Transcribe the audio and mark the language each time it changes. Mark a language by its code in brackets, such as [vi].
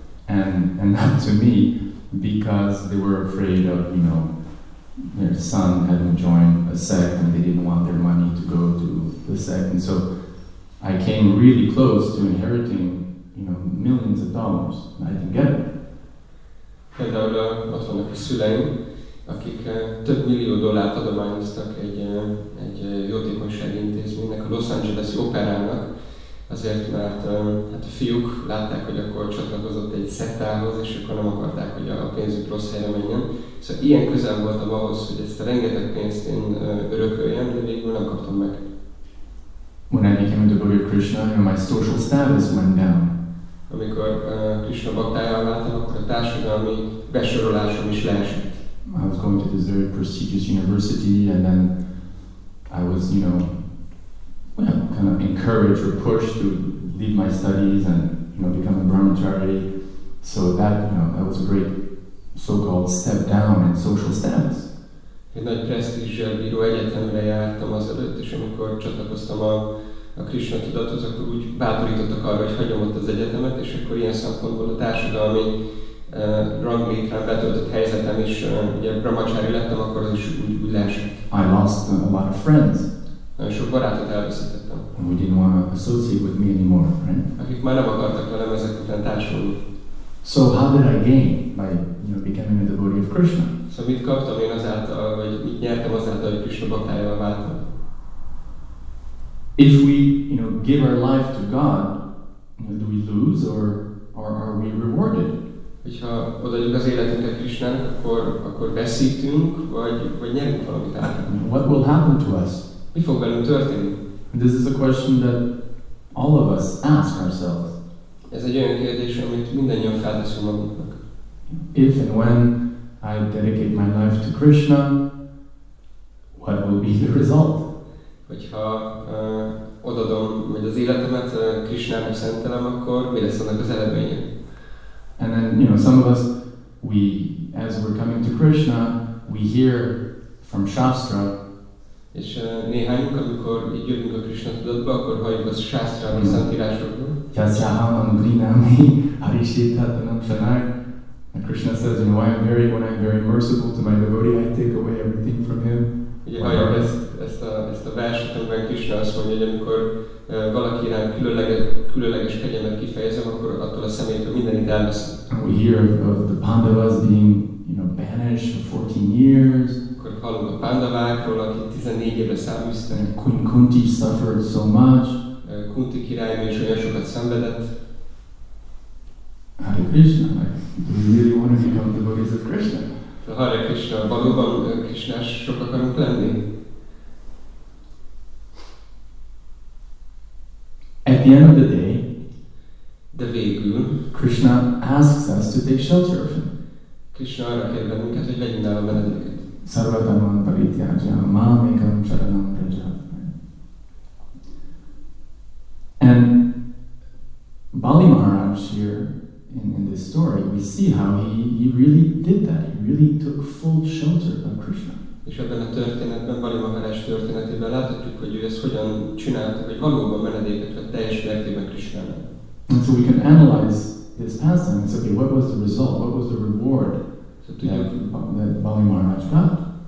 [en] And not to me, because they were afraid of, you know, their son hadn't joined a sect and they didn't want their money to go to the sect. And so I came really close to inheriting, you know, millions of dollars, and I didn't get it. [hu] Például ott vannak a szüleim, akik több millió dollárt adományoztak egy jótékonysági intézménynek, a Los Angeles-i operának. Azért, mert hát a fiúk látták, hogy akkor csatlakozott egy szektához, és akkor nem akarták, hogy a pénzük rossz helyre menjen. Szóval ilyen közel voltam ahhoz, hogy ezt a rengeteg pénzt én örököljem, de végül nem kaptam meg. [en] When I became a devotee of Krishna, my social status went down. [hu] Amikor Krishna baktájává váltam, akkor a társadalmi besorolásom is leesett. [en] I was going to this very prestigious university, and then I was, you know, kind of encouraged or pushed to leave my studies and, you know, become a brahmachari. So that, you know, that was a great so-called step down in social status. [hu] Egy nagy presztízsel bíró egyetemre jártam azelőtt, és amikor csatlakoztam a Krishna tudathoz, akkor úgy bátorítottak arra, hogy hagyom ott az egyetemet, és akkor ilyen szempontból a társadalmi ranglétre betöltött helyzetem is, ugye brahmachari lettem, akkor az is úgy leesett. [en] I lost a lot of friends. [hu] Nagyon sok barátot elveszítettem. [en] Who didn't want to associate with me anymore, right? [hu] Akik már nem akartak velem ezek után társulni. [en] So how did I gain by, you know, becoming a devotee of Krishna? [hu] So mit kaptam én azáltal, vagy mit nyertem azáltal, hogy Krishna baktájává váltam? [en] If we, you know, give our life to God, you know, do we lose or are we rewarded? [hu] Hogyha odaadjuk az életünket Krishnának, akkor veszítünk, vagy nyerünk valamit át. [en] What will happen to us? [hu] Mi fog velünk történni? [en] This is a question that all of us ask ourselves. [hu] Ez egy olyan kérdés, amit mindannyian felteszünk magunknak. [en] If and when I dedicate my life to Krishna, what will be the result? [hu] Hogyha odadom, vagy az életemet Krisnának szentelem, akkor mi lesz annak az eredménye? [en] And then, you know, some of us, we, as we're coming to Krishna, we hear from Shastra. [hu] És néhányunk, amikor így jövünk a Krishna tudatba, akkor halljuk az Shastra, a szentírásokból. [sa] Yasya hamam grinami arishetatanam sanai. [en] And Krishna says, you know, I am very, when I am very merciful to my devotee, I take away everything from him. [hu] Ugye halljuk ezt a verset, amiben Krishna azt mondja, hogy amikor valaki rám különleges kegyelmet kifejezem, akkor attól a személytől mindenit elveszem. [en] We hear of the Pandavas being, you know, banished for 14 years. [hu] Akkor hallunk a Pandavákról, akik 14 évre száműztek. [en] Queen Kunti suffered so much. [hu] Kunti királynő is olyan sokat szenvedett. [en] Hare Krishna, like, do you really want to become the devotees of Krishna? [hu] De Hare Krishna, valóban Krishnás sok akarunk lenni? [en] At the end of the day, [hu] de végül, [en] Krishna asks us to take shelter of him. [hu] Krishna arra kér bennünket, hogy legyünk nála menedéket. [sa] Sarvatamam parityajam, mamekam charanam prajam. [en] And Bali Maharaj here, in this story, we see how he really did that. He really took full shelter of Krishna. [hu] És ebben a történetben, Bali Maharaj történetében láthatjuk, hogy ő ezt hogyan csinálta, hogy valóban menedéket vett teljes mértékben Krishnának. [en] And so we can analyze this pastime and say, okay, what was the result, what was the reward that Bali Maharaj got?